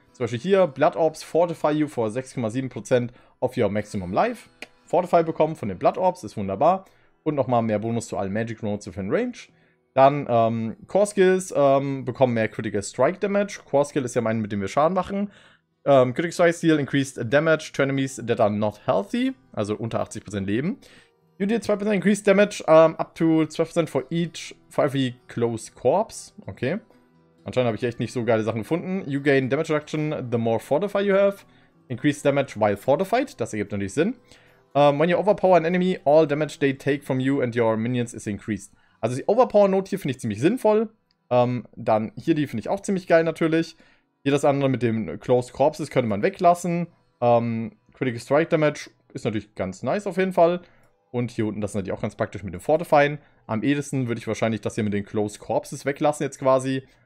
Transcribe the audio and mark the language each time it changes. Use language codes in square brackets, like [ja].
[en] Zum Beispiel hier, Blood Orbs fortify you for 6,7% of your maximum life. [de] Fortify bekommen von den Blood Orbs, ist wunderbar. Und nochmal mehr Bonus zu allen Magic Nodes within Range. Dann Core Skills bekommen mehr Critical Strike Damage. Core Skill ist ja mein, mit dem wir Schaden machen. [en] Critical Strike Steel increased Damage to enemies that are not healthy, [de] also unter 80% Leben. [en] You deal 2% increased Damage up to 12% for each 5e close corpse. Okay. [de] Anscheinend habe ich echt nicht so geile Sachen gefunden. [en] You gain Damage Reduction the more Fortify you have. Increased Damage while Fortified, [de] das ergibt natürlich Sinn. [en] When you overpower an enemy, all Damage they take from you and your minions is increased. [de] Also die Overpower-Note hier finde ich ziemlich sinnvoll. Dann hier die finde ich auch ziemlich geil natürlich. Hier das andere mit dem Closed Corpses könnte man weglassen. Critical Strike Damage ist natürlich ganz nice auf jeden Fall. Und hier unten das ist natürlich auch ganz praktisch mit dem Fortifying. Am ehesten würde ich wahrscheinlich das hier mit den Closed Corpses weglassen jetzt quasi.